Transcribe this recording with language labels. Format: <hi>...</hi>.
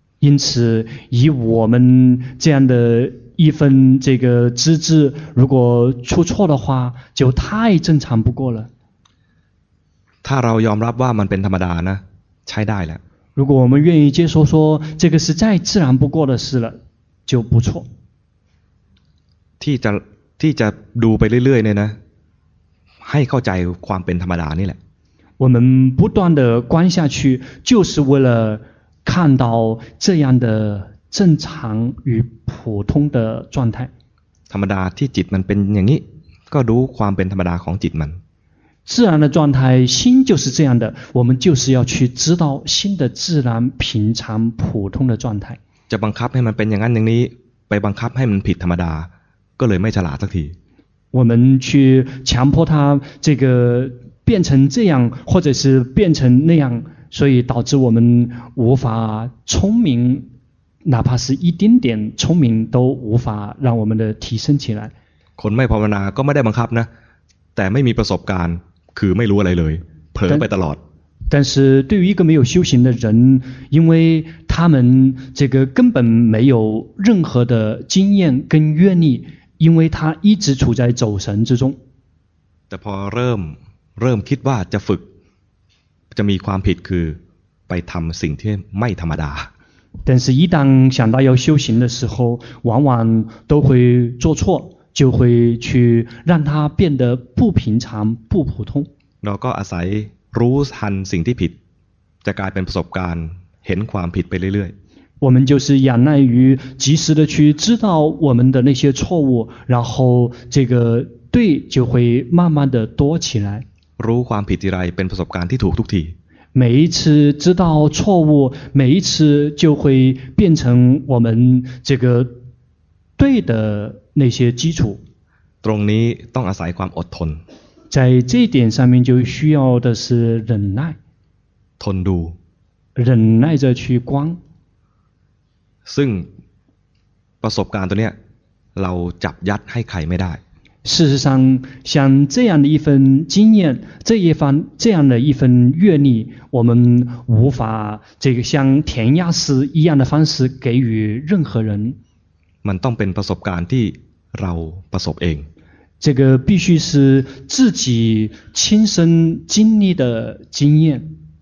<zh>因此以我们这样的一份这个资质如果出错的话就太正常不过了</zh> <th>ถ้าเรายอมรับว่ามันเป็นธรรมดานะใช้ได้แล้ว</th> <zh>如果我们愿意接受说这个是再自然不过的事了就不错</zh> <th>ที่จะดูไปเรื่อยๆเนี่ยนะให้เข้าใจความเป็นธรรมดานี่แหละ</th> <zh>我们不断的观下去就是为了看到这样的正常与普通的状态</zh> <th>ธรรมดาที่จิตมันเป็นอย่างนี้ก็รู้ความเป็นธรรมดาของจิตมัน</th> <zh>自然的状态心就是这样的我们就是要去知道心的自然平常普通的状态</zh> <th>จะบังคับให้มันเป็นอย่างนั้นอย่างนี้ไปบังคับให้มันผิดธรรมดาก็เลยไม่ฉลาดสักที</th> <zh>我们去强迫它这个变成这样或者是变成那样所以导致我们无法聪明哪怕是一丁点聪明都无法让我们的提升起来</zh> <th>คนไม่ภาวนาก็ไม่ได้บังคับนะแต่ไม่มีประสบการณ์คือไม่รู้อะไรเลยเผลอไปตลอด</th> <zh>但是对于一个没有修行的人因为他们这个根本没有任何的经验跟阅历因为他一直处在走神之中</zh> <th>แต่พอเริ่มคิดว่าจะฝึกจะมีความผิดคือไปทำสิ่งที่ไม่ธรรมดา</th> <zh>但是一旦想到要修行的时候往往都会做错就会去让它变得不平常不普通</zh> <th>เราก็อาศัยรู้ทันสิ่งที่ผิดจะกลายเป็นประสบการณ์เห็นความผิดไปเรื่อย</th> <zh>ๆ我们就是仰赖于及时的去知道我们的那些错误然后这个对就会慢慢的多起来</zh> <th>รู้ความผิดทีไรเป็นประสบการณ์ที่ถูกทุกที</th> <zh>每一次知道错误每一次就会变成我们这个对的那些基础</zh> <th>ตรงนี้ต้องอาศัยความอดทน</th> <zh>在这一点上面就需要的是忍耐</zh> <th>ทนดู</th> <zh>忍耐着去观</zh> <th>ซึ่งประสบการณ์ตัวเนี้ยเราจับยัดให้ใครไม่ได้</th> <zh>事实上像这样的一份经验这样的一份阅历我们无法这个像填鸭式一样的方式给予任何人</zh> <th>มันต้องเป็นประสบการณ์ที่เราประสบเอง</th> <zh>这个必须是自己亲身经历的经验</zh>